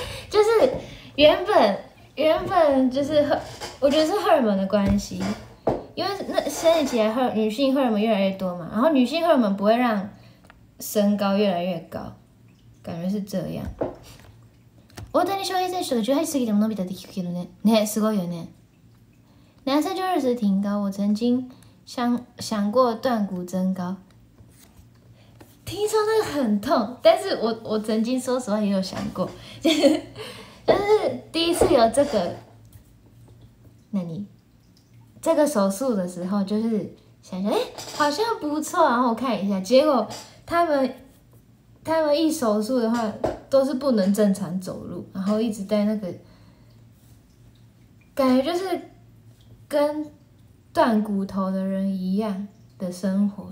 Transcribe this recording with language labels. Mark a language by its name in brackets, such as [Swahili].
[Chinese] 就是。原本就是我觉得是荷尔蒙的关系，因为那生理期女性荷尔蒙越来越多嘛，然后女性荷尔蒙不会让身高越来越高，感觉是这样。 [Japanese] 大谷翔平選手18歳でも伸びたって聞くけどね。ね、すごいよね。 [Chinese] 男生就20挺高，我曾经想过断骨增高，听说那个很痛，但是我曾经说实话也有想过。但是第一次有这个，这个手术的时候，就是想想，好像不错，然后我看一下，结果他们一手术的话，都是不能正常走路，然后一直戴那个，感觉就是跟断骨头的人一样的生活。